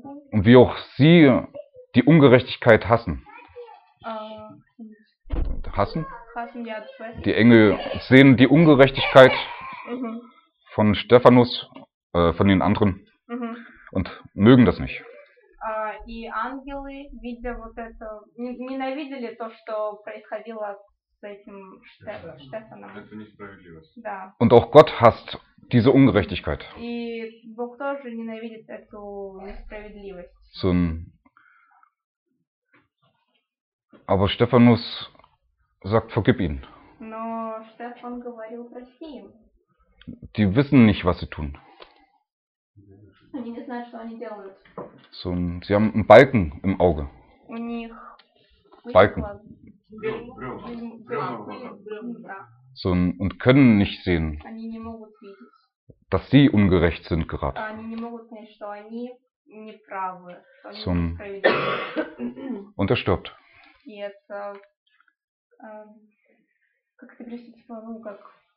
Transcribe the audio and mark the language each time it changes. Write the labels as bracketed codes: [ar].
[de] Und wie auch sie die Ungerechtigkeit hassen. Hassen? Die Engel sehen die Ungerechtigkeit von Stephanus. Von den anderen und mögen das nicht. [ru] И ангелы, видя вот это, ненавидели то, что происходило с этим Стефаном. Это несправедливость. Да. [de] Und auch Gott hasst diese Ungerechtigkeit. [ru] И Бог тоже ненавидит эту несправедливость. [de] So ein... Aber Stephanus sagt, vergib ihn. [ru] Но Стефан говорил, прости им. [de] Die wissen nicht, was sie tun. [ru] Они не знают, что они делают. [de] So, sie haben einen Balken im Auge. [ru] У них... [de] Balken. [ru] Брёвна. [de] So, und können nicht sehen, [ru] они не могут видеть, [de] dass sie ungerecht sind gerade. [ru] Они не могут видеть, что они не правы. [de] So, und er stirbt. [ru] И это... как это пришлось, типа, ну, как...